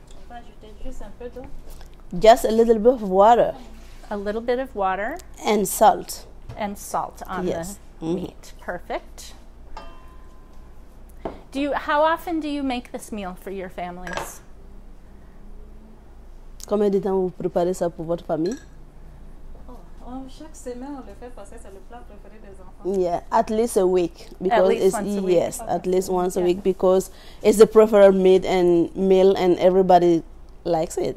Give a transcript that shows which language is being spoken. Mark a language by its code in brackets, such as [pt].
[en] Okay. Just a little bit of water. A little bit of water. And salt. And salt on the meat. Perfect. How often do you make this meal for your families? [fr] Combien de temps vous préparez ça pour votre famille? Chaque semaine, on le fait parce que c'est le plat préféré des enfants. [en] Yeah, at least a week. Because at least it's, once a week. Yes, okay. At least once a week because it's the preferred meat and meal and everybody likes it.